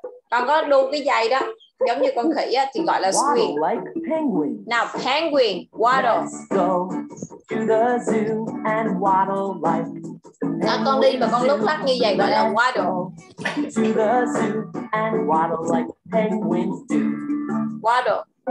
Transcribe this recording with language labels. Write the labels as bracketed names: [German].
[Vietnamese] Con có đu cái dây đó, giống như con khỉ á, thì gọi là swing. [English] Waddle like penguin. Now, penguin, waddle. Let's go to the zoo and waddle like penguin. [Vietnamese] Nó con đi mà con lúc lắc như vậy gọi là waddle. [English] To the zoo and waddle like penguins do. Waddle.